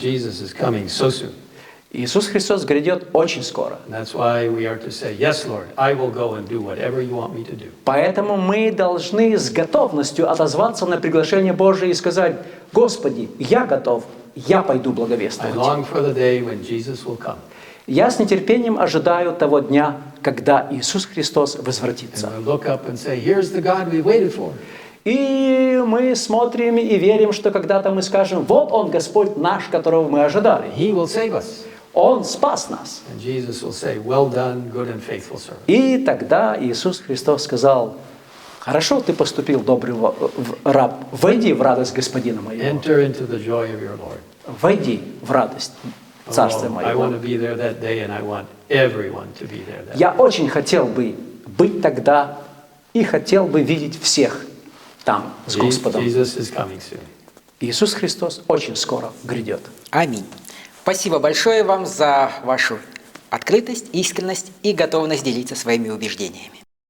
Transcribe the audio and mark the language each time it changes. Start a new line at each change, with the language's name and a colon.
English: Jesus is coming so soon.
Russian: Иисус Христос грядет очень скоро.
English: That's why we are to say, Yes, Lord, I will go and do whatever You want me to do.
Russian: Поэтому мы должны с готовностью отозваться на приглашение Божие и сказать: Господи, я готов, я пойду благовествовать.
English: I long for the day when Jesus will come.
Russian: Я с нетерпением ожидаю того дня, когда Иисус Христос возвратится.
English: And we look up and say, Here's the God we waited for.
Russian: И мы смотрим и верим, что когда-то мы скажем: вот Он, Господь наш, которого мы ожидали.
English: He will save us.
Russian: Он спас нас.
English: And Jesus will say, well done, good and faithful servant.
Russian: И тогда Иисус Христос сказал: хорошо, ты поступил, добрый раб, войди в радость Господина моего.
English: Enter into the joy of your Lord.
Russian: Войди в радость.
English: I want to be there that day, and I want everyone to be there that day.
Russian: Я очень хотел бы быть тогда и хотел бы видеть всех там с Господом.
English: Jesus is coming soon.
Russian: Иисус Христос очень скоро грядет. Аминь. Спасибо большое вам за вашу открытость, искренность и готовность делиться своими убеждениями.